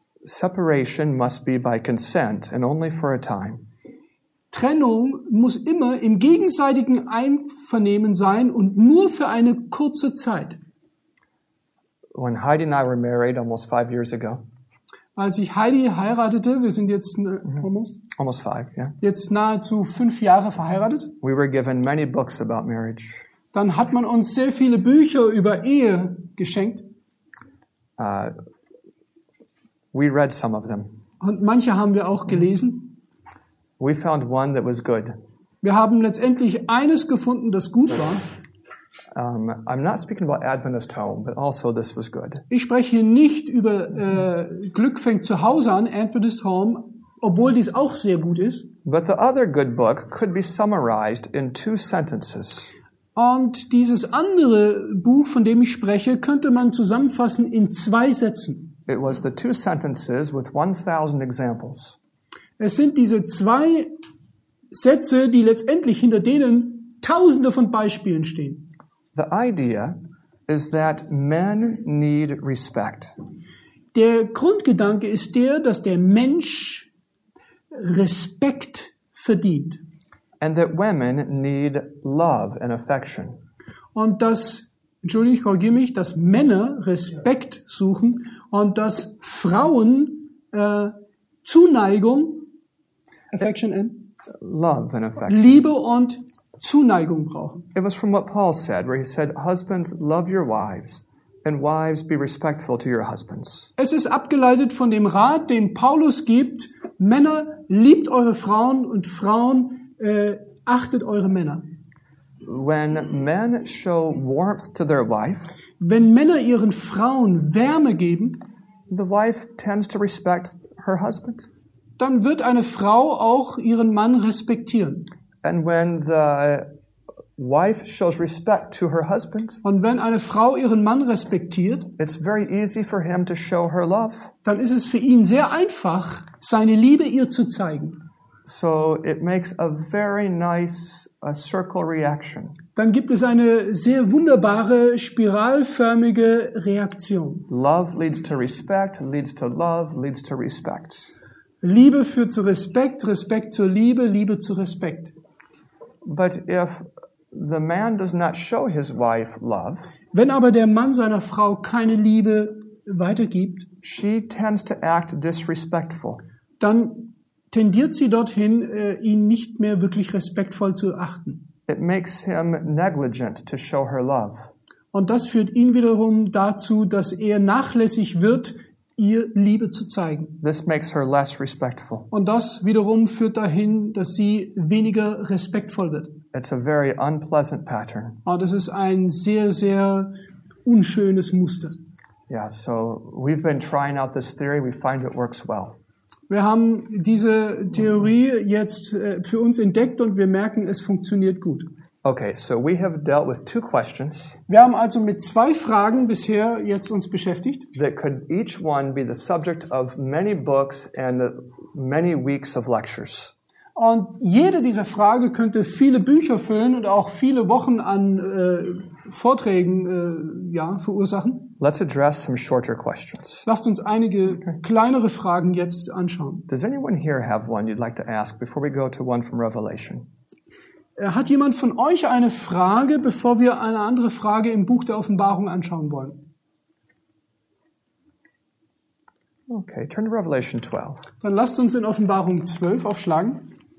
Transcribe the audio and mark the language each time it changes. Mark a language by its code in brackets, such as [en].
[en] Separation must be by consent and only for a time. [de] Trennung muss immer im gegenseitigen Einvernehmen sein und nur für eine kurze Zeit. [en] When Heidi and I were married almost 5 years ago. [de] Als ich Heidi heiratete, wir sind jetzt [en] almost five, yeah. [de] Jetzt nahezu 5 Jahre verheiratet. [en] We were given many books about marriage. [de] Dann hat man uns sehr viele Bücher über Ehe geschenkt. [en] We read some of them. [de] Und manche haben wir auch gelesen. [en] We found one that was good. [de] Wir haben letztendlich eines gefunden, das gut war. [en] I'm not speaking about Adventist home, but also this was good. [de] Ich spreche hier nicht über Glück fängt zu Hause an, [en] Adventist home, [de] obwohl dies auch sehr gut ist. [en] But the other good book could be summarized in 2 sentences. [de] Und dieses andere Buch, von dem ich spreche, könnte man zusammenfassen in 2 Sätzen. [en] It was the 2 sentences with 1,000 examples. [de] Es sind diese 2 Sätze, die letztendlich hinter denen Tausende von Beispielen stehen. [en] The idea is that men need respect. [de] Der Grundgedanke ist der, dass der Mensch Respekt verdient. [en] And that women need love and affection. [de] Und dass, entschuldige, ich korrigiere mich, dass Männer Respekt suchen und dass Frauen Zuneigung, [en] affection and love and affection. [de] Liebe und Zuneigung brauchen. [en] It was from what Paul said, where he said, husbands, love your wives, and wives, be respectful to your husbands. [de] Es ist abgeleitet von dem Rat, den Paulus gibt, Männer, liebt eure Frauen, und Frauen, achtet eure Männer. [en] When men show warmth to their wife, [de] wenn Männer ihren Frauen Wärme geben, [en] the wife tends to respect her husband. [de] Dann wird eine Frau auch ihren Mann respektieren. [en] And when the wife shows respect to her husband, [de] und wenn eine Frau ihren Mann respektiert, [en] it's very easy for him to show her love. [de] Dann ist es für ihn sehr einfach, seine Liebe ihr zu zeigen. [en] So it makes a very nice a circle reaction. [de] Dann gibt es eine sehr wunderbare spiralförmige Reaktion. [en] Love leads to respect, leads to love, leads to respect. [de] Liebe führt zu Respekt, Respekt zur Liebe, Liebe zu Respekt. [en] But if the man does not show his wife love, [de] wenn aber der Mann seiner Frau keine Liebe weitergibt, [en] she tends to act disrespectful. [de] Dann tendiert sie dorthin, ihn nicht mehr wirklich respektvoll zu achten. [en] It makes him negligent to show her love. [de] Und das führt ihn wiederum dazu, dass er nachlässig wird, ihr Liebe zu zeigen. [en] This makes her less respectful. [de] Und das wiederum führt dahin, dass sie weniger respektvoll wird. [en] It's a very unpleasant pattern. [de] Und das ist ein sehr, sehr unschönes Muster. [en] Yeah, so we've been trying out this theory. We find it works well. [de] Wir haben diese Theorie jetzt für uns entdeckt und wir merken, es funktioniert gut. [en] Okay, so we have dealt with 2 questions. [de] Wir haben also mit 2 Fragen bisher jetzt uns beschäftigt. [en] That could each one be the subject of many books and many weeks of lectures. [de] Und jede dieser Frage könnte viele Bücher füllen und auch viele Wochen an Vorträgen verursachen. [en] Let's address some shorter questions. [de] Lasst uns einige kleinere Fragen jetzt anschauen. [en] Does anyone here have one you'd like to ask before we go to one from Revelation? [de] Hat jemand von euch eine Frage, bevor wir eine andere Frage im Buch der Offenbarung anschauen wollen? [en] Okay, turn to Revelation 12. [de] Dann lasst uns in Offenbarung 12 aufschlagen.